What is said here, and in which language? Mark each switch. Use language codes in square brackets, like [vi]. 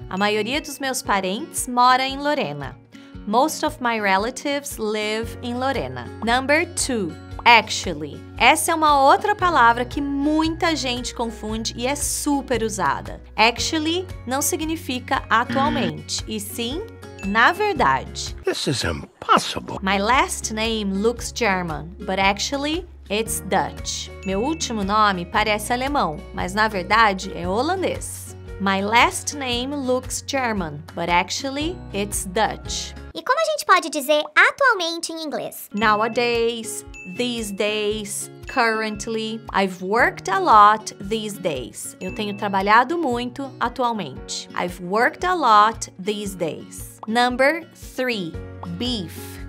[pt] A maioria dos meus parentes mora em Lorena. [en] Most of my relatives live in Lorena. Number 2. Actually. [pt] Essa é uma outra palavra que muita gente confunde e é super usada. Actually não significa atualmente, e sim na verdade. [en] This is impossible. My last name looks German, but actually it's Dutch. [pt] Meu último nome parece alemão, mas na verdade é holandês. [en] My last name looks German, but actually it's Dutch. [pt] E como a gente pode dizer atualmente em inglês? [en] Nowadays, these days, currently. I've worked a lot these days. [pt] Eu tenho trabalhado muito atualmente. [en] I've worked a lot these days. Number 3. Beef.